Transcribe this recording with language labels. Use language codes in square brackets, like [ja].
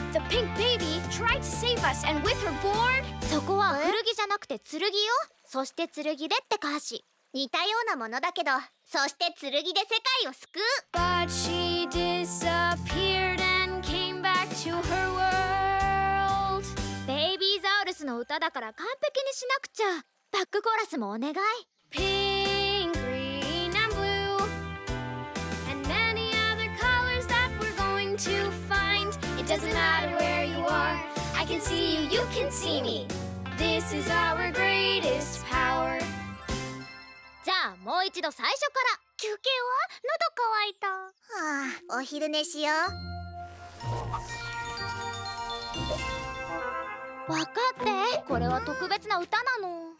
[en] Pink baby tried to save us and with her board. [ja] そこは古着じゃなくて剣よ。そして剣でって歌詞。似たようなものだけど、そして剣で世界を救う。 [en] But she disappeared and came back to her world. [ja] ベイビーザウルスの歌だから完璧にしなくちゃ。バックコーラスもお願い。 [en] Pink, green and blue and many other colors that we're going to find. Doesn't matter where you are, I can see you, you can see me. This is our greatest power. [ja] じゃあもう一度最初から。休憩は？喉乾いた。はあ、お昼寝しよう。分かって、これは特別な歌なの。